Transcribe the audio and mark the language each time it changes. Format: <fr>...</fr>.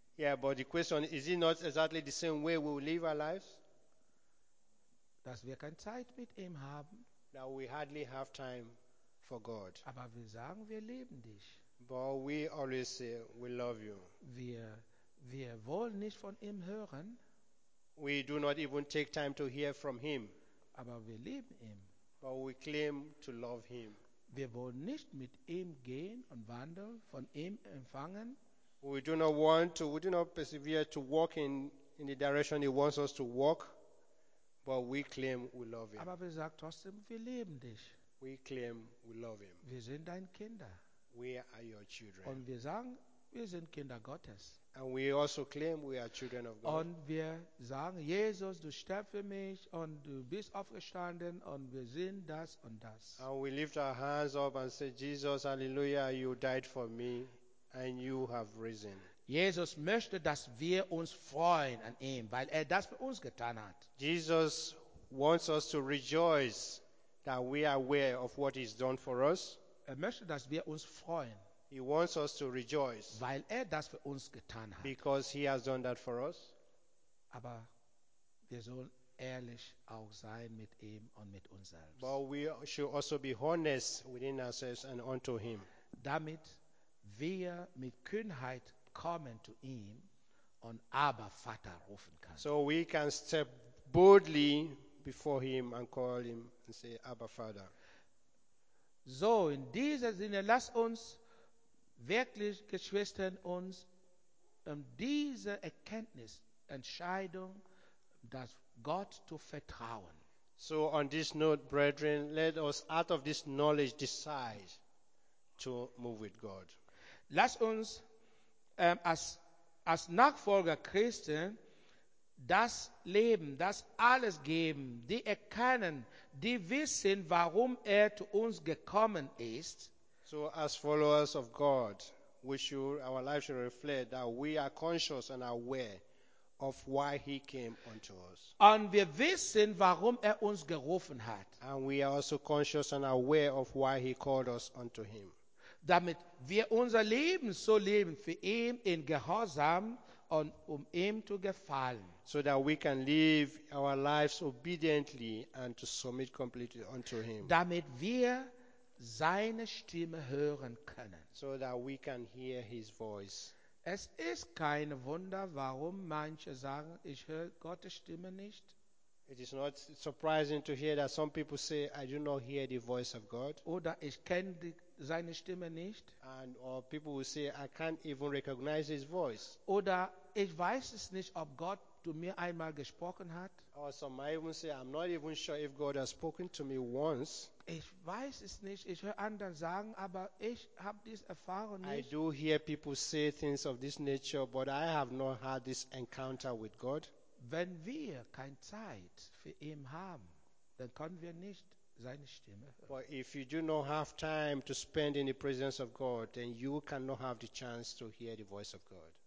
<en>Yeah, but the question, is it not exactly the same way we live our lives?</en> <de>Dass wir keine Zeit mit ihm haben.</de> <en>That we hardly have time for God.</en> <de>Aber wir sagen, wir lieben dich.</de> <en>But we always say, we love you.</en> <de>Wir wollen nicht von ihm hören.</de> <en>We do not even take time to hear from him.</en> <de>Aber wir lieben ihn.</de> <en>But we claim to love him.</en> <de>Wir wollen nicht mit ihm gehen und wandeln, von ihm empfangen.</de> <en>We do not want to, we do not persevere to walk in the direction he wants us to walk, but we claim we love him.</en> <de>Aber wir sagen trotzdem, wir lieben dich.</de> <en>We claim we love him.</en> <de>Wir sind dein Kinder.</de> <en>We are your children.</en> <de>Und wir sagen, wir sind Kinder Gottes.</de> <en>And we also claim we are children of God.</en> <de>Und wir sagen, Jesus, du stirbst für mich und du bist aufgestanden und wir sind das und das.</de> <en>And we lift our hands up and say, Jesus, hallelujah, you died for me and you have risen.</en> <de>Jesus möchte, dass wir uns freuen an ihm, weil er das für uns getan hat.</de> <en>Jesus wants us to rejoice that we are aware of what he's done for us.</en> <de>Er möchte, dass wir uns freuen.</de> <en>He wants us to rejoice.</en> <de>Weil er das für uns getan hat.</de> <en>Because he has done that for us.</en> <de>Aber wir sollen ehrlich auch sein mit ihm und mit uns selbst.</de> <en>But we should also be honest within ourselves and unto him.</en> <de>Damit wir mit Kühnheit kommen zu ihm und aber Vater rufen können.</de> <en>So we can step boldly before him and call him and say, Abba Father.</en> <de>So in diesem Sinne, lass uns wirklich, Geschwister, uns diese Erkenntnis, Entscheidung, das Gott zu vertrauen.</de> <en>So on this note, brethren, let us out of this knowledge decide to move with God.</en> <de>Lass uns als Nachfolger Christi das Leben, das alles geben, die erkennen, die wissen, warum er zu uns gekommen ist.</de> <en>So as followers of God, we should, our lives should reflect that we are conscious and aware of why he came unto us.</en> <de>Und wir wissen, warum uns gerufen hat.</de> <en>And we are also conscious and aware of why he called us unto him.</en> <de>Damit wir unser Leben so leben für ihn in Gehorsam und ihm zu gefallen.</de> <en>So that we can live our lives obediently and to submit completely unto him.</en> <de>Damit wir seine Stimme hören können.</de> <en>So that we can hear his voice.</en> <de>Es ist kein Wunder, warum manche sagen, ich höre Gottes Stimme nicht.</de> <en>It is not surprising to hear that some people say, I do not hear the voice of God.</en> <de>Oder ich kenne seine Stimme nicht.</de> <en>And or people will say, I can't even recognize his voice.</en> <de>Oder ich weiß es nicht, ob Gott zu mir einmal gesprochen hat.</de> <en>Or some might even say, I'm not even sure if God has spoken to me once.</en> <de>Ich weiß es nicht, ich höre anderen sagen, aber ich habe diese Erfahrung nicht.</de> <en>I do hear people say things of this nature, but I have not had this encounter with God.</en> <de>Wenn wir keine Zeit für ihn haben, dann können wir nicht seine Stimme hören.</de> <en>But if you do not have time to spend in the presence of God, then you cannot have the chance to hear the voice of God.</en>